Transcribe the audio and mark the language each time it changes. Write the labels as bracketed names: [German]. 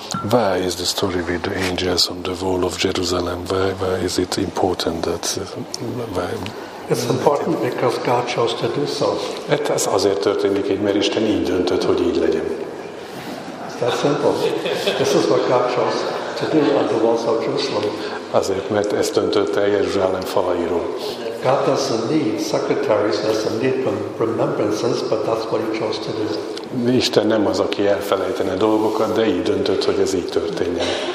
[English] Why is the story with the angels on the wall of Jerusalem? Why is it important that? Why? It's important because God chose to do so. [Hungarian] Ez azért történik, mert Isten így döntött, hogy így legyen. [English] That's simple. This is what God chose to do on the walls of Jerusalem. [Hungarian] Azért, mert ezt döntött el Jeruzsálem falairól. [English] God doesn't need secretaries, doesn't need remembrances, but that's what he chose to do. [Hungarian] Isten nem az, aki elfelejtene dolgokat, de így döntött, hogy ez így történjen.